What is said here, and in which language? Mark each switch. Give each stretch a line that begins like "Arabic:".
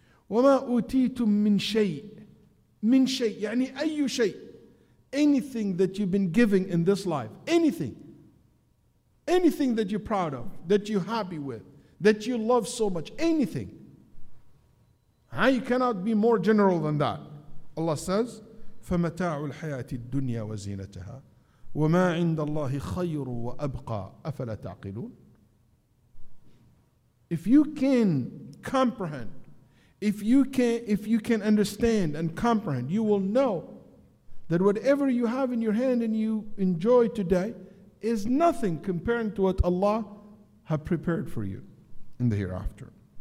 Arabic: وَمَا أُوتِيتُم مِّن شَيْءٍ مِّن شَيْءٍ يعني أَيُّ شَيْءٍ
English: anything that you've been giving in this life, anything that you're proud of, that you're happy with, that you love so much, anything. How you cannot be more general than that. Allah says,
Arabic: فَمَتَاعُ الْحَيَاةِ الدُّنْيَا وَزِينَتَهَا وَمَا عِنْدَ اللَّهِ خَيْرٌ وَأَبْقَى أَفَلَا تَعْقِلُونَ.
English: If you can comprehend, if you can understand and comprehend, you will know that whatever you have in your hand and you enjoy today is nothing comparing to what Allah have prepared for you in the hereafter.